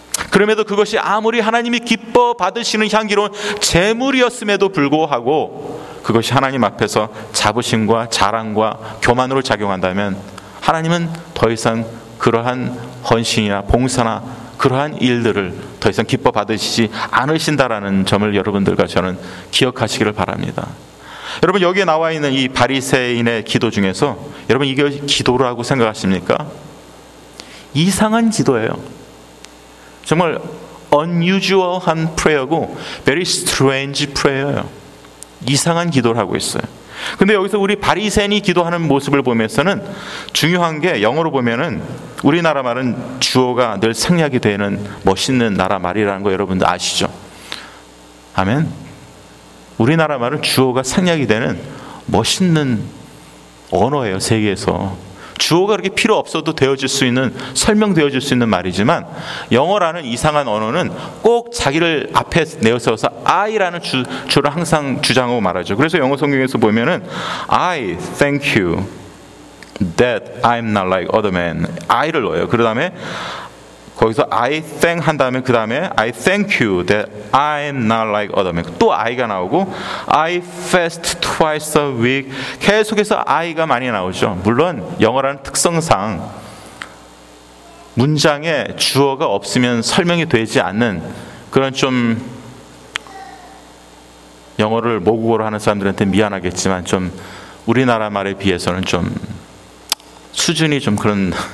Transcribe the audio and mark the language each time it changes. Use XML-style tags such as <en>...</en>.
<ko>그럼에도 그것이 아무리 하나님이 기뻐 받으시는 향기로운 재물이었음에도 불구하고 그것이 하나님 앞에서 자부심과 자랑과 교만으로 작용한다면 하나님은 더 이상 그러한 헌신이나 봉사나 그러한 일들을 더 이상 기뻐 받으시지 않으신다라는 점을 여러분들과 저는 기억하시기를 바랍니다. 여러분 여기에 나와 있는 이 바리새인의 기도 중에서 여러분 이게 기도라고 생각하십니까? 이상한 기도예요. 정말 unusual한 prayer고</ko> <en>very strange prayer</en> <ko>예요. 이상한 기도를 하고 있어요. 근데 여기서 우리 바리새인이 기도하는 모습을 보면서는 중요한 게 영어로 보면은 우리나라 말은 주어가 늘 생략이 되는 멋있는 나라 말이라는 거 여러분들 아시죠? 아멘. 우리나라 말은 주어가 생략이 되는 멋있는 언어예요. 세계에서 주어가 그렇게 필요 없어도 되어질 수 있는, 설명되어질 수 있는 말이지만 영어라는 이상한 언어는 꼭 자기를 앞에 내세워서 I라는 주어를 항상 주장하고 말하죠. 그래서 영어 성경에서 보면은</ko> <en>I thank you that I'm not like other men.</en> <ko>I를 넣어요. 그 다음에 거기서</ko> <en>I thank 한 다음에 그 다음에 I thank you that I'm not like other men.</en> <ko>또 I가 나오고</ko> <en>I fast twice a week.</en> <ko>계속해서 I가 많이 나오죠. 물론 영어라는 특성상 문장에 주어가 없으면 설명이 되지 않는 그런 좀 영어를 모국어로 하는 사람들한테 미안하겠지만 좀 우리나라 말에 비해서는 좀 수준이 좀 그런</ko>